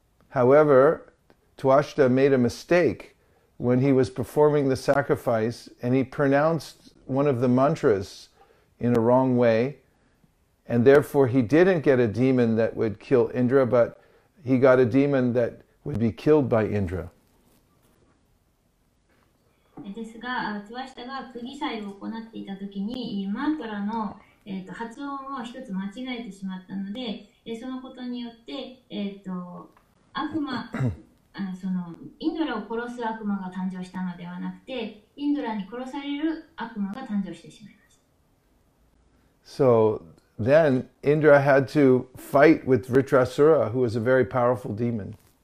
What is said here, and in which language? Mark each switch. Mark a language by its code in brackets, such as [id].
[en] However, Tvashta made a mistake when he was performing the sacrifice and he pronounced one of the mantras in a wrong way. And therefore, he didn't get a demon that would kill Indra, but he got a demon that would be killed by Indra. [ja] ですが、ツワシタが釘祭を行っていた時に、マントラの、発音を一つ間違えてしまったので、そのことによって、悪魔、その、インドラを殺す悪魔が誕生したのではなくて、インドラに殺される悪魔が誕生してしまいました。 [en] So,Then Indra had to fight with Vritrasura, who was a very powerful demon.